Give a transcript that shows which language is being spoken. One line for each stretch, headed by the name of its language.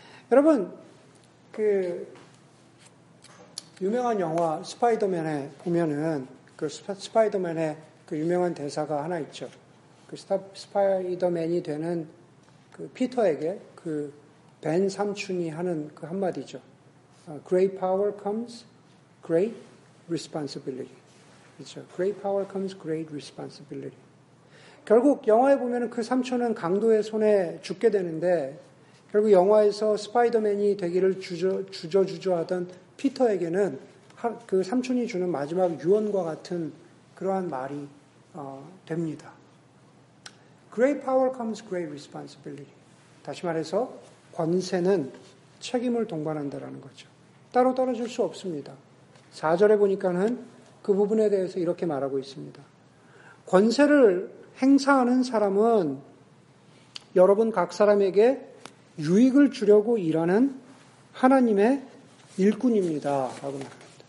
Korean: 여러분, 그 유명한 영화 스파이더맨에 보면은 그 스파이더맨의 그 유명한 대사가 하나 있죠. 그 스파이더맨이 되는 그 피터에게 그 벤 삼촌이 하는 그 한마디죠.
English: Great power comes great responsibility.
Korean: 그렇죠.
English: Great power comes great responsibility.
Korean: 결국 영화에 보면 그 삼촌은 강도의 손에 죽게 되는데 결국 영화에서 스파이더맨이 되기를 주저주저하던 피터에게는 그 삼촌이 주는 마지막 유언과 같은 그러한 말이 됩니다.
English: Great power comes great responsibility.
Korean: 다시 말해서 권세는 책임을 동반한다라는 거죠. 따로 떨어질 수 없습니다. 4절에 보니까는 그 부분에 대해서 이렇게 말하고 있습니다. 권세를 행사하는 사람은 여러분 각 사람에게 유익을 주려고 일하는 하나님의 일꾼입니다. 라고 말합니다.